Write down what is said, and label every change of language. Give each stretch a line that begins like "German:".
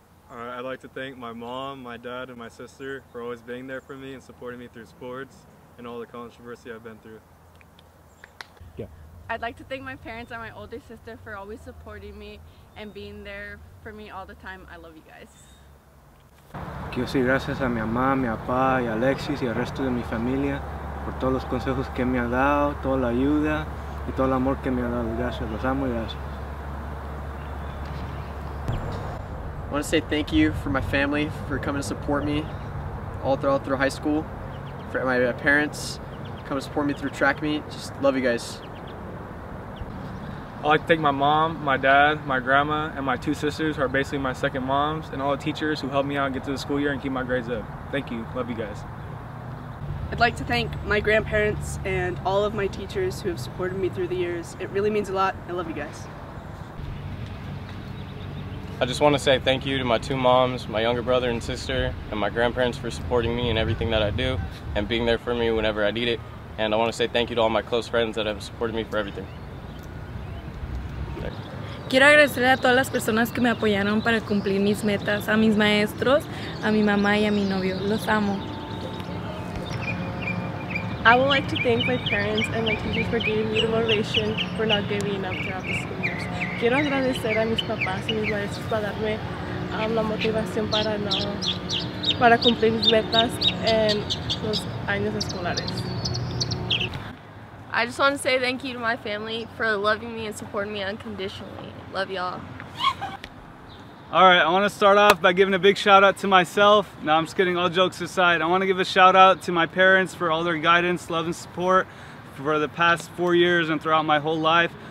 English: All right, I'd like to thank my mom, my dad, and my sister for always being there for me and supporting me through sports and all the controversy I've been through. Yeah. I'd like to thank my parents and my older sister for always supporting me and being there for me all the time. I love you guys.
Spanish: Quiero decir gracias a mi mamá, mi papá, y Alexis y el resto de mi familia por todos los consejos que me ha dado, toda la ayuda y todo el amor que me ha dado. Gracias, los amo y gracias.
English: I want to say thank you for my family for coming to support me all throughout high school, for my parents come to support me through track meet. Just love you guys. I'd like to thank my mom, my dad, my grandma, and my two sisters, who are basically my second moms, and all the teachers who helped me out get through the school year and keep my grades up. Thank you. Love you guys. I'd like to thank my grandparents and all of my teachers who have supported me through the years. It really means a lot. I love you guys. I just want to say thank you to my two moms, my younger brother and sister, and my grandparents for supporting me in everything that I do and being there for me whenever I need it. And I want to say thank you to all my close friends that have supported me for everything.
Spanish: Quiero agradecer a todas las personas que me apoyaron para cumplir mis metas, a mis maestros, a mi mamá y a mi novio. Los amo.
English: I would like to thank my parents and my teachers for giving me the motivation for not giving up throughout the school years.
Spanish: Quiero agradecer a mis papás y mis maestros para darme la motivación para no para cumplir mis metas en los años escolares.
English: I just want to say thank you to my family for loving me and supporting me unconditionally. Love y'all. All right, I want to start off by giving a big shout out to myself. No, I'm just kidding, all jokes aside. I want to give a shout out to my parents for all their guidance, love, and support for the past 4 years and throughout my whole life.